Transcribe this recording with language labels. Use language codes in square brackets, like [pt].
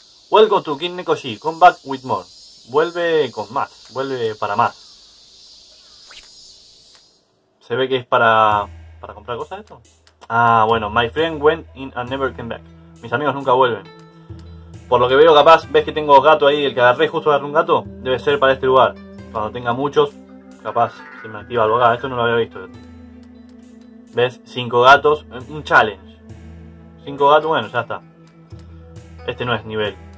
[en] Welcome to King Nekoshi, come back with more. [es] Vuelve con más, vuelve para más. Se ve que es para comprar cosas esto. Ah, bueno, [en] my friend went in and never came back. [es] Mis amigos nunca vuelven. Por lo que veo, capaz, ves que tengo gato ahí, el que agarré, justo agarré un gato, debe ser para este lugar. Cuando tenga muchos, capaz se me activa algo acá. Esto no lo había visto. ¿Ves? 5 gatos, un challenge. 5 gatos, bueno, ya está. Este no es nivel.